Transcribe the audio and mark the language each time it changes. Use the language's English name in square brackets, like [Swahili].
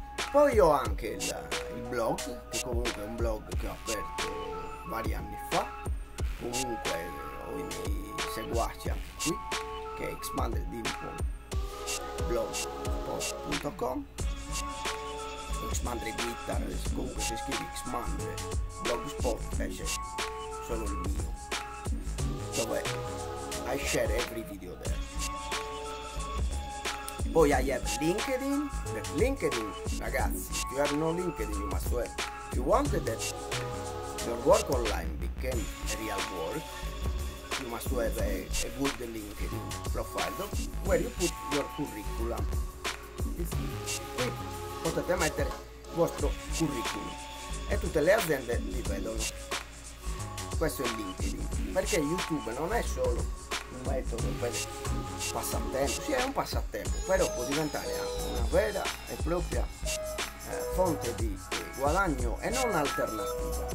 [Italian] Poi ho anche il blog, che comunque è un blog che ho aperto vari anni fa, comunque ho i miei seguaci anche qui, che è Expanded Info blogspot.com, Xmandre Guitar, comunque se scrivi Xmandre blogspot esce solo il mio, dove [English] I share every video there. Poi I have LinkedIn, ragazzi, if you have no LinkedIn you must have, if you wanted that your work online became a real work, you must have a good LinkedIn profile where you put your curriculum. [Italian] Qui potete mettere il vostro curriculum e tutte le aziende li vedono. Questo è LinkedIn, perché YouTube non è solo un metodo per passatempo, sì, è un passatempo, però può diventare una vera e propria fonte di guadagno e non alternativa.